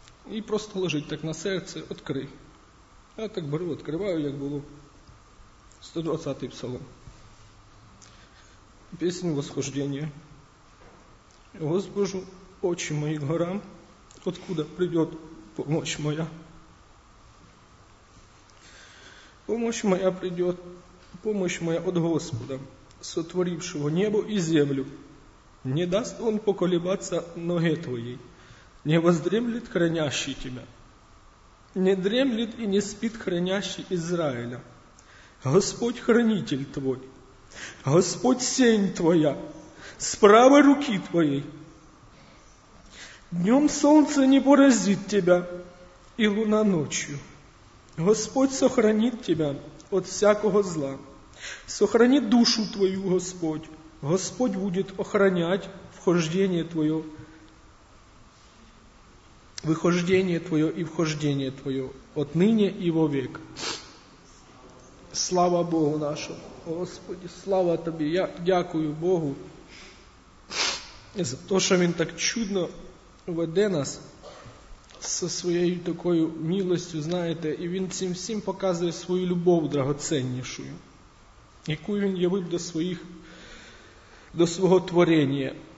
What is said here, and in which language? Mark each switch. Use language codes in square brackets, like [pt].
[uk] І просто лежить так на серці, відкрий. Я так беру, відкриваю, як було. 120-й псалом. Пісню восхождення. Господу, очі мої к горам, [ru] откуда прийдет помощь моя? Помощь моя прийдет, помощь моя от Господа, сотворившего небо и землю. Не даст он поколебаться ноге твоей, не воздремлет хранящий тебя, не дремлет и не спит хранящий Израиля. Господь хранитель твой, Господь сень твоя, с правой руки твоей. Днем солнце не поразит тебя, и луна ночью. Господь сохранит тебя от всякого зла. Сохранит душу твою, Господь. Господь будет охранять вхождение твое, выхождение твое и вхождение твое отныне и вовек. Слава Богу нашему, Господи, [uk] слава тобі. Я дякую Богу за то, що він так чудно веде нас со своєю такою милістю, знаєте, і він цим всім показує свою любов драгоценнішу, яку він явив до своїх, до свого творення.